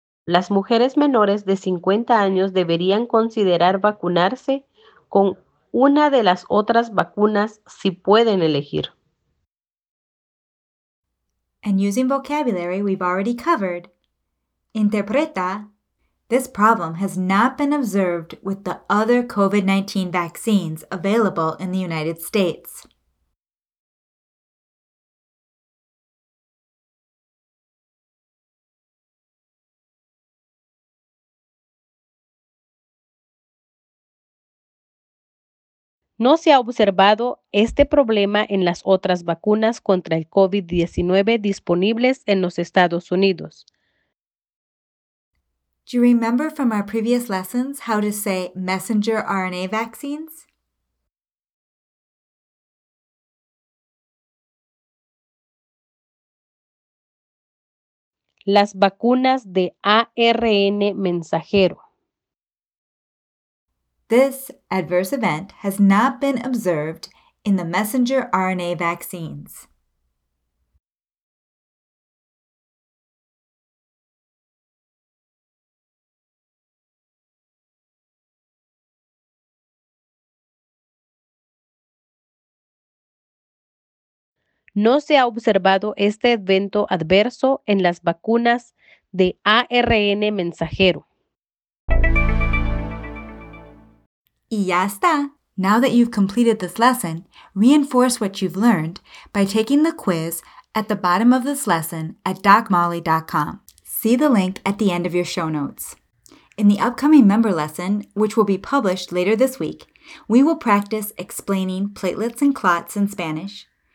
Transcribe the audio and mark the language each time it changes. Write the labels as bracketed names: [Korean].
[Spanish] Las mujeres menores de 50 años deberían considerar vacunarse con una de las otras vacunas si pueden elegir. [English] And using vocabulary we've already covered, interpreta, this problem has not been observed with the other COVID-19 vaccines available in the United States. [Spanish] No se ha observado este problema en las otras vacunas contra el COVID-19 disponibles en los Estados Unidos. [English] Do you remember from our previous lessons how to say messenger RNA vaccines? [Spanish] Las vacunas de ARN mensajero. [English] This adverse event has not been observed in the messenger RNA vaccines. [Spanish] No se ha observado este evento adverso en las vacunas de ARN mensajero. Y ya está. [English] Now that you've completed this lesson, reinforce what you've learned by taking the quiz at the bottom of this lesson at DocMolly.com. See the link at the end of your show notes. In the upcoming member lesson, which will be published later this week, we will practice explaining platelets and clots in Spanish.